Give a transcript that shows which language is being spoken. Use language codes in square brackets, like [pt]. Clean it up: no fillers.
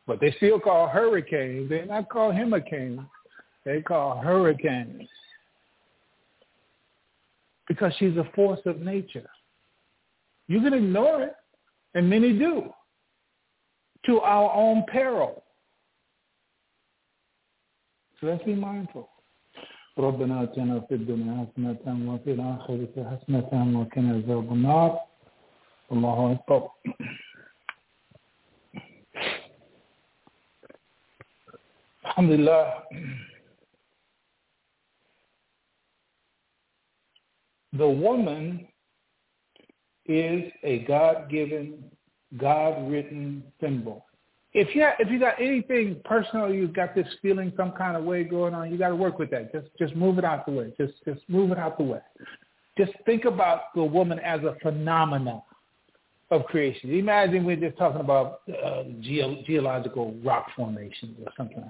[en] But they still call hurricanes. They not call him a king. They call hurricanes. Because she's a force of nature. You can ignore it, and many do, to our own peril. So let's be mindful. [ar] ربنا اتنا في الدنيا حسنة وفي الآخرة حسنة وقنا عذاب النار الله أكبر الحمد لله [en] The woman is a God-given, God-written symbol. If you got anything personal, you've got this feeling some kind of way going on, you got to work with that. Just move it out the way. Just move it out the way. Just think about the woman as a phenomenon of creation. Imagine we're just talking about geological rock formations or something.